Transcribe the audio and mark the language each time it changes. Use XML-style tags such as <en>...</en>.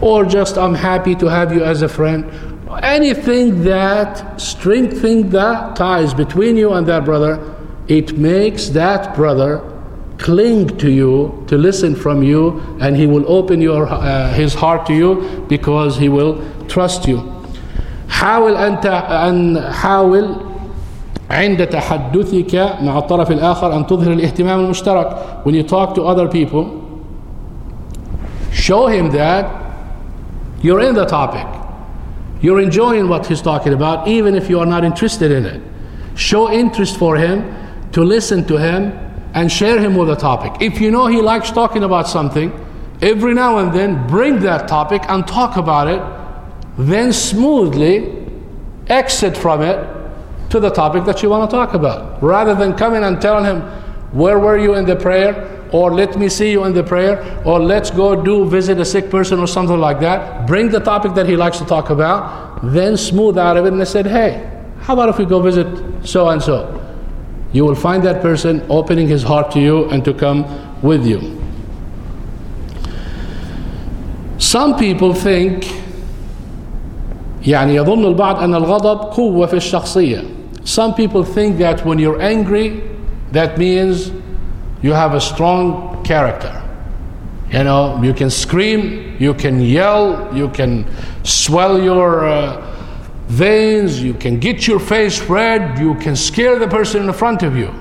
<en>Or just, I'm happy to have you as a friend. Anything that strengthens the ties between you and that brother, it makes that brother cling to you, to listen from you, and he will open his heart to you because he will trust you.</en> <ar>حاول أنت أن حاول عند تحدثك مع الطرف الآخر أن تظهر الاهتمام المشترك.</ar> <en>When you talk to other people, show him that you're in the topic. You're enjoying what he's talking about, even if you are not interested in it. Show interest for him, to listen to him, and share him with a topic. If you know he likes talking about something, every now and then bring that topic and talk about it, then smoothly exit from it to the topic that you want to talk about. Rather than coming and telling him, where were you in the prayer? Or let me see you in the prayer? Or let's go do visit a sick person or something like that. Bring the topic that he likes to talk about, then smooth out of it and said, hey, how about if we go visit so and so? You will find that person opening his heart to you and to come with you. Some people think,</en> <ar>يعني يظن البعض أن الغضب قوة في الشخصية.</ar> <en>Some people think that when you're angry, that means you have a strong character. You know, you can scream, you can yell, you can swell your veins, you can get your face red, you can scare the person in front of you.</en>